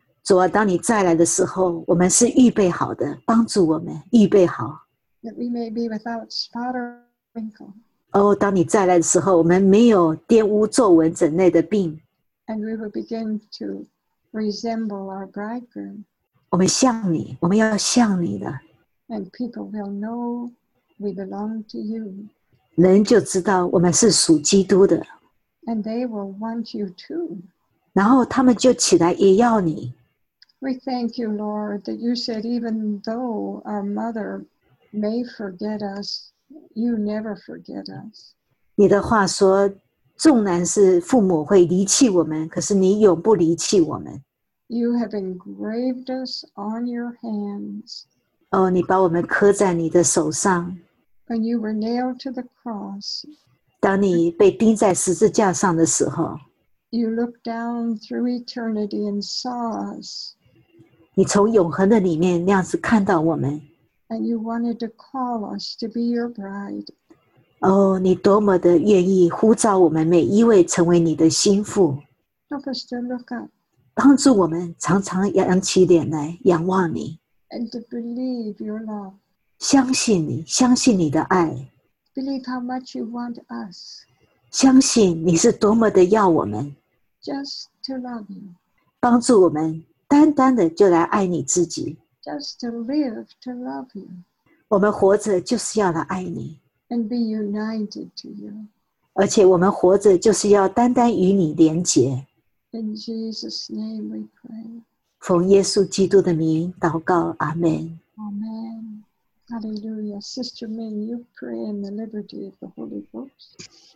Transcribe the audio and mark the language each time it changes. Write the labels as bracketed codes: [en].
[zh] 主啊，当你再来的时候，我们是预备好的，帮助我们预备好。 [en] That we may be without spot or wrinkle. [zh] 哦，当你再来的时候，我们没有玷污皱纹之类的病。 [en] And we will begin to resemble our bridegroom. [zh] 我们像你，我们要像你的。 [en] And people will know we belong to you. [zh] 人就知道我们是属基督的。 [en] And they will want you too. [zh] 然后他们就起来也要你。 [en] We thank you, Lord, that you said even though our mother may forget us, you never forget us. [zh] 你的话说，纵然是父母会离弃我们，可是你永不离弃我们。 [en] You have engraved us on your hands. [zh] 哦，你把我们刻在你的手上。 [en] When you were nailed to the cross, [zh] 当你被钉在十字架上的时候， [en] you looked down through eternity and saw us. [zh] 你从永恒的里面那样子看到我们， [en] and you wanted to call us to be your bride. [zh] 哦，你多么的愿意呼召我们每一位成为你的心腹。 [en] Help us to look up. [zh] 帮助我们常常扬起脸来仰望你， [en] and to believe your love. [zh] 相信你，相信你的爱。 [en] Believe how much you want us. [zh] 相信你是多么的要我们。 [en] Just to love you. [zh] 帮助我们，单单的就来爱你自己。 [en] Just to live to love you. [zh] 我们活着就是要来爱你。 [en] And be united to you. [zh] 而且我们活着就是要单单与你连结。 [en] In Jesus' name we pray. [zh] 奉耶稣基督的名祷告，阿门。阿门。Hallelujah. [en] Sister Ming, you pray in the liberty of the Holy Ghost.